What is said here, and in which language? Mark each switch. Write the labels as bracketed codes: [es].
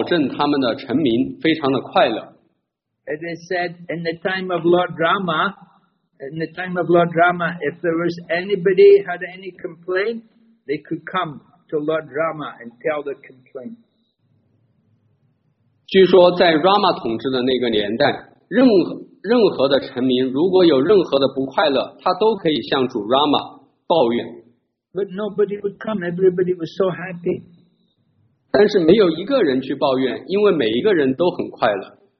[zh] 他们总是能保证他们的臣民非常的快乐。 [en] It is said in the time of Lord Rama, in the time of Lord Rama, if there was anybody had any complaint, they could come to Lord Rama and tell the complaint. [zh] 据说在 Rama 统治的那个年代，任何的臣民如果有任何的不快乐，他都可以向主 Rama 抱怨。 [en] But nobody would come. Everybody was so happy. [zh] 但是没有一个人去抱怨，因为每一个人都很快乐。